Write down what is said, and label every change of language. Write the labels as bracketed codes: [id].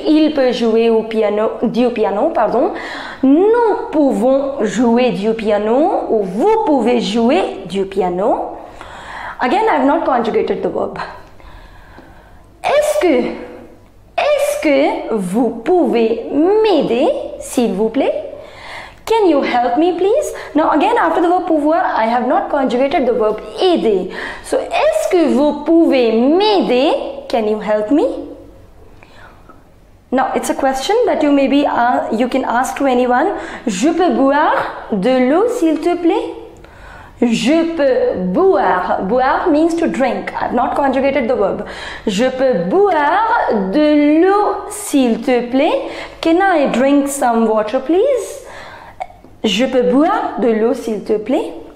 [fr] Il peut jouer au piano, du piano, pardon. Nous pouvons jouer du piano ou vous pouvez jouer du piano. [en] Again, I have not conjugated the verb. [fr] Est-ce que vous pouvez m'aider, s'il vous plaît? [en] Can you help me, please? Now, again, after the verb pouvoir, I have not conjugated the verb aider. So, [fr] est-ce que vous pouvez m'aider? [en] Can you help me? Now, it's a question that you maybe you can ask to anyone. [fr] Je peux boire de l'eau, s'il te plaît? Je peux boire. [en] Boire means to drink. I have not conjugated the verb. [fr] Je peux boire de l'eau, s'il te plaît? [en] Can I drink some water, please? [fr] Je peux boire de l'eau, s'il te plaît.